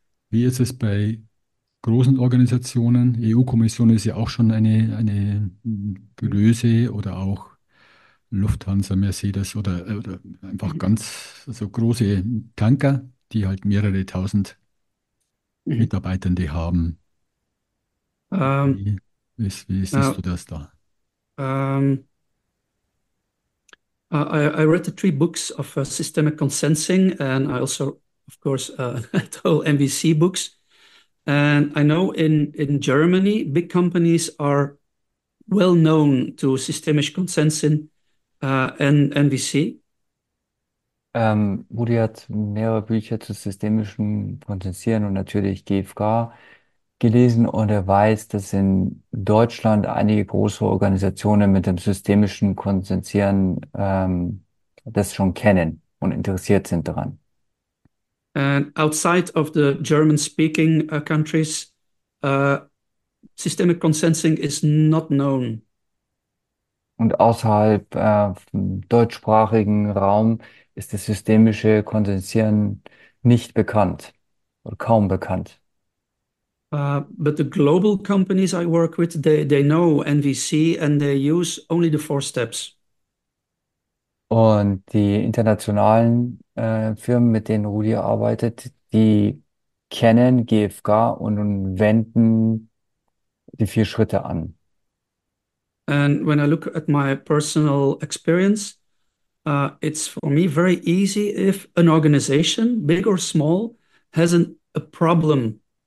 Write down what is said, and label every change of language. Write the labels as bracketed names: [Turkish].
[German] Wie ist es bei großen Organisationen? EU-Kommission ist ja auch schon eine Größe, oder auch Lufthansa, Mercedes oder einfach ganz so, also große Tanker, die halt mehrere tausend Mitarbeitende haben. Wie siehst du das da? [English] I read the three books of systemic consensing, and I also, of course, told MVC books. And I know in Germany, big companies are well known to systemic consensing and MVC. [German] Rudi hat mehrere Bücher zu systemischem Potenzieren und natürlich GfK gelesen, und er weiß, dass in Deutschland einige große Organisationen mit dem systemischen Konsensieren das schon kennen und interessiert sind daran. [English] And outside of the German-speaking countries, systemic consensing is not known. [German] Und außerhalb vom deutschsprachigen Raum ist das systemische Konsensieren nicht bekannt oder kaum bekannt. [English] But the global companies I work with, they know NVC and they use only the four steps. [German] Und die internationalen Firmen, mit denen Rudi arbeitet, die kennen GfK und wenden die vier Schritte an. [English] And when I look at my personal experience, it's for me very easy if an organization, big or small, has a problem.